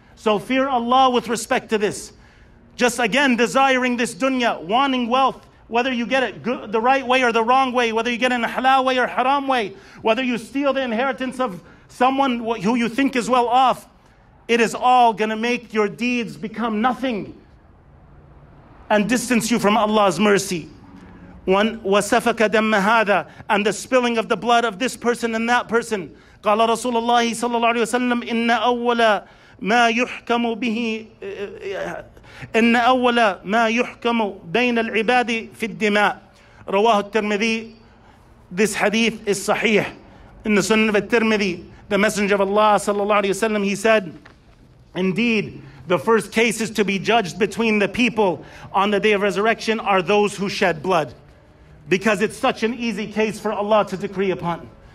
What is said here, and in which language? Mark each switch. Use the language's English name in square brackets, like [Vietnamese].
[English] So fear Allah with respect to this. Just again, desiring this dunya, wanting wealth, whether you get it good, the right way or the wrong way, whether you get it in a halal way or haram way, whether you steal the inheritance of someone who you think is well off, it is all going to make your deeds become nothing and distance you from Allah's mercy. [Arabic] وَسَفَكَ دَمَّ هَذَا, [English] and the spilling of the blood of this person and that person. [Arabic] قَالَ رَسُولَ اللَّهِ صَلَّى اللَّهُ عَلَيْهِ وَسَلَّمْ إِنَّ أَوَّلَ مَا يُحْكَمُ بِهِ إن أول ما يحكم بين العباد في الدماء رواه الترمذي. [English] This hadith is sahih. In the Sunan of al-Tirmidhi, the Messenger of Allah sallallahu alaihi wasallam, he said, indeed, the first cases to be judged between the people on the day of resurrection are those who shed blood, because it's such an easy case for Allah to decree upon.